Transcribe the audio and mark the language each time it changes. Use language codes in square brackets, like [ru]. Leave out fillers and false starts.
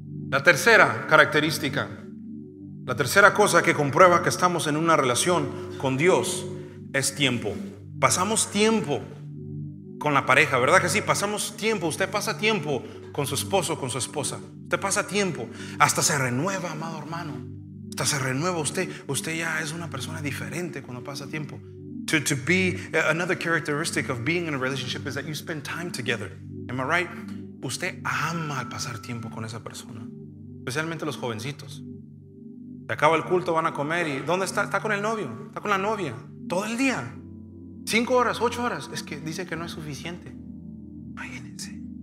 [es] La tercera característica, la tercera cosa que comprueba que estamos en una relación con Dios es tiempo. Pasamos tiempo con la pareja, ¿verdad que sí? Pasamos tiempo, usted pasa tiempo con su esposo, con su esposa. Usted pasa tiempo, hasta se renueva, amado hermano. Hasta se renueva usted, usted ya es una persona diferente cuando pasa tiempo. [en] To be another characteristic of being in a relationship is that you spend time together. Am I right? [es] Usted ama al pasar tiempo con esa persona, especialmente los jovencitos. Se acaba el culto, van a comer y ¿dónde está? Está con el novio, está con la novia, todo el día. 5 horas, 8 horas. Es que dice que no es suficiente. Imagínense.